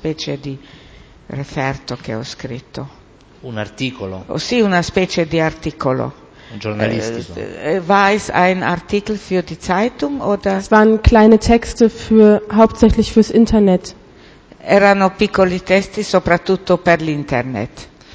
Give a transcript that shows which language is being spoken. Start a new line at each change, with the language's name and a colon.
Italian: una specie di referto che ho scritto. Un articolo? Sì, una specie di articolo. Journalistico.
German: War es ein Artikel für die Zeitung oder? Es waren kleine Texte für hauptsächlich fürs Internet.
Italian: Erano piccoli testi soprattutto per l'internet.